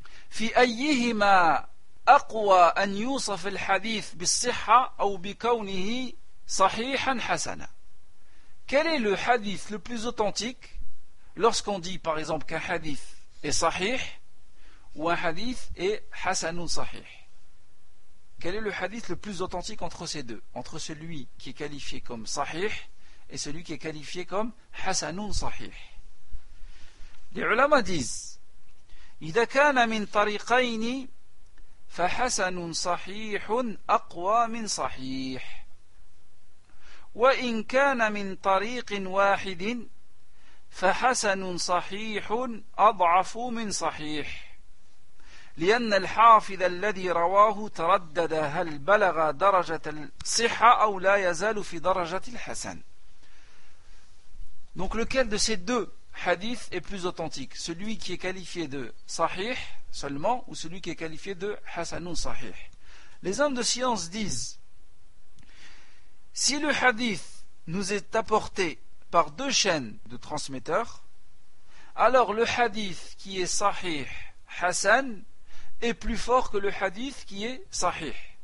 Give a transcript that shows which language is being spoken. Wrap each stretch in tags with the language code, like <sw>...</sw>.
<ar>في أيهما أقوى أن يوصف الحديث بالصحة أو بكونه صحيحا حسنا.</ar> <fr>Quel est le hadith le plus authentique lorsqu'on dit par exemple qu'un hadith est sahih ou un hadith est hasanun sahih? Quel est le hadith le plus authentique entre ces deux, entre celui qui est qualifié comme sahih et celui qui est qualifié comme hasanun sahih? Les ulama disent</fr> <ar>إذا كان من طريقين فحسن صحيح أقوى من صحيح وإن كان من طريق واحد فحسن صحيح أضعف من صحيح لأن الحافظ الذي رواه تردد هل بلغ درجة الصحة أو لا يزال في درجة الحسن.</ar> <fr>Donc lequel de ces deux hadith est plus authentique, celui qui est qualifié de sahih seulement ou celui qui est qualifié de hasanun sahih? Les hommes de science disent, si le hadith nous est apporté par deux chaînes de transmetteurs, alors le hadith qui est sahih hasan est plus fort que le hadith qui est sahih.</fr>